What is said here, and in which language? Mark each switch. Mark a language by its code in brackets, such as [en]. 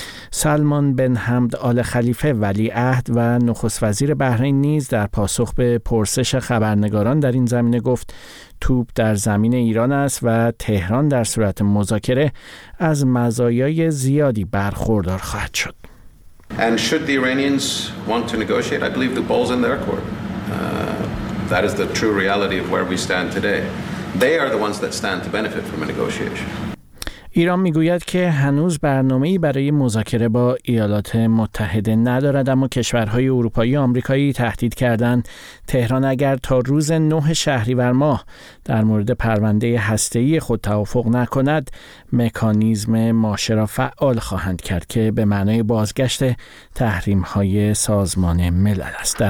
[fa] سلمان بن حمد آل خلیفه ولیعهد و نخست وزیر بحرین نیز در پاسخ به پرسش خبرنگاران در این زمینه گفت توپ در زمین ایران است و تهران در صورت مذاکره از مزایای زیادی برخوردار خواهد شد. [en] And should the Iranians want to negotiate, I believe the ball's in their court. That is the true reality of where we stand today. They are the ones that stand to benefit from a negotiation. [fa] ایران میگوید که هنوز برنامه‌ای برای مذاکره با ایالات متحده ندارد، اما کشورهای اروپایی آمریکایی تهدید کردند تهران اگر تا روز 9 شهریور ماه در مورد پرونده هسته‌ای خود توافق نکند مکانیزم ماشه را فعال خواهند کرد که به معنای بازگشت تحریم‌های سازمان ملل است.